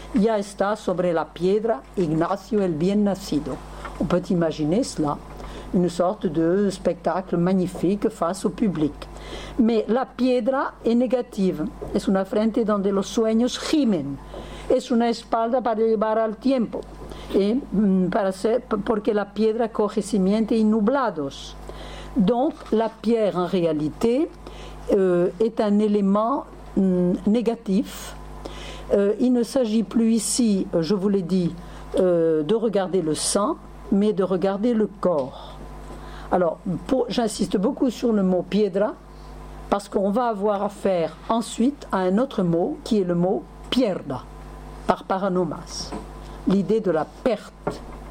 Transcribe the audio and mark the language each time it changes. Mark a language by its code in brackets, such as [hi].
[es] Ya está sobre la piedra, Ignacio el bien nacido. [fr] On peut imaginer cela, une sorte de spectacle magnifique face au public. Mais la piedra est négative. [es] Es una frente donde los sueños gimen. Es una espalda para llevar al tiempo. [fr] Et [es] porque la piedra coge cimientos nublados. [fr] Donc la pierre en réalité est un élément négatif. Il ne s'agit plus ici, je vous l'ai dit, de regarder le sang, mais de regarder le corps. Alors j'insiste beaucoup sur le mot piedra, parce qu'on va avoir affaire ensuite à un autre mot qui est le mot pierda, par paranomas, l'idée de la perte.